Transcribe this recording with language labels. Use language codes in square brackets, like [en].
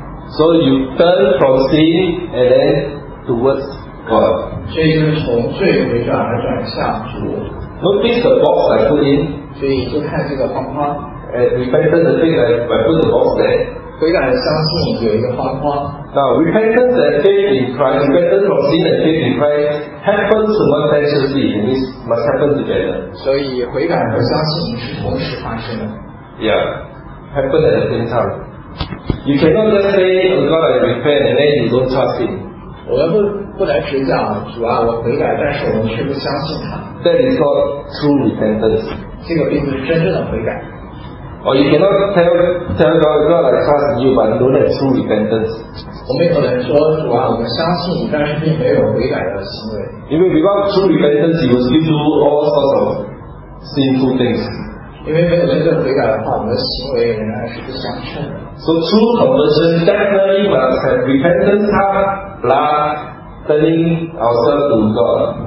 [en] So you turn from sin and then towards God. [zh] 所以就是从罪悔转而转向主。 [en] Notice the box I put in. [zh] 所以就看这个框框。 [en] Repentance and faith, by putting the box there. [zh] 悔改相信有一个方法。 [en] Now, repentance and faith in Christ, repentance from sin and faith in Christ happens simultaneously. It means must happen together. [zh] 所以悔改和相信是同时发生的。 [en] Yeah, happen at the same time. You cannot just say, oh God, I repent, and then you don't trust Him. [zh] 我们不能只讲主啊，我悔改，但是我们却不相信他。 [en] That is called true repentance. [zh] 这个并不是真正的悔改。 [en] Or you cannot tell God I trust you, but don't have true repentance. [zh] 我们可能说主啊，我们相信你，但是并没有悔改的行为。因为 [en] without true repentance, you still do all sorts of sinful things. [zh] 因为没有真正悔改的话，我们的行为仍然是不相称的。 [en] So true conversion definitely must have repentance heart, plus turning ourselves to God.